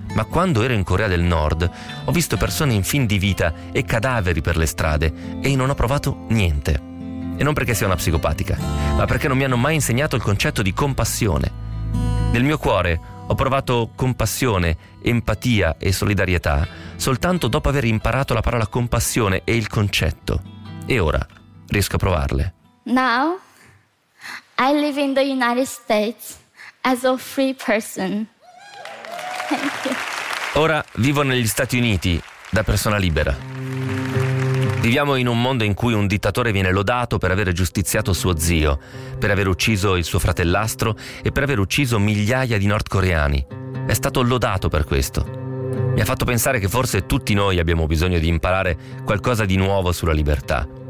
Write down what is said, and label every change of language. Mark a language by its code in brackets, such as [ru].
[it] Ma quando ero in Corea del Nord, ho visto persone in fin di vita e cadaveri per le strade e non ho provato niente. E non perché sia una psicopatica, ma perché non mi hanno mai insegnato il concetto di compassione. Nel mio cuore ho provato compassione, empatia e solidarietà soltanto dopo aver imparato la parola compassione e il concetto. E ora riesco a provarle. [en] Now I live in the United States as a free person. [it] Ora vivo negli Stati Uniti da persona libera. Viviamo in un mondo in cui un dittatore viene lodato per aver giustiziato suo zio, per aver ucciso il suo fratellastro e per aver ucciso migliaia di nordcoreani. È stato lodato per questo. Mi ha fatto pensare che forse tutti noi abbiamo bisogno di imparare qualcosa di nuovo sulla libertà.